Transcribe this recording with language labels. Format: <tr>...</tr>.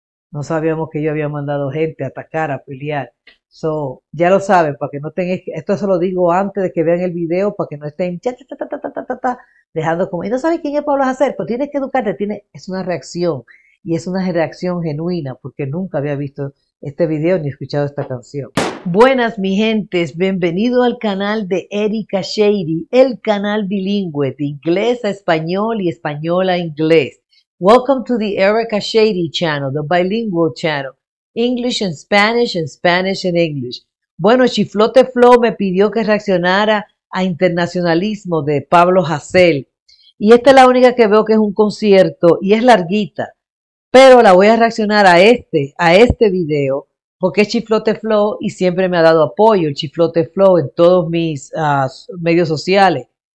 <es>No sabíamos que yo había mandado gente a atacar, a pelear. So, ya lo saben, para que no tengan, esto se lo digo antes de que vean el video, para que no estén cha, cha, cha, ta, ta, ta, ta, ta, dejando como, y no sabes quién es Pablo Hasél, pero tienes que educarte, es una reacción, y es una reacción genuina, porque nunca había visto este video ni escuchado esta canción. Buenas, mi gentes, bienvenido al canal de Erika Shady, el canal bilingüe de inglés a español y español a inglés.</es> <en>Welcome to the Erika Shady channel, the bilingual channel, English and Spanish and Spanish and English.</en> <es>Bueno, Chiflote Flow me pidió que reaccionara a Internacionalismo de Pablo Hasél. Y esta es la única que veo que es un concierto y es larguita, pero la voy a reaccionar a este video. Porque es Chiflote Flow y siempre me ha dado apoyo el Chiflote Flow en todos mis medios sociales.</es>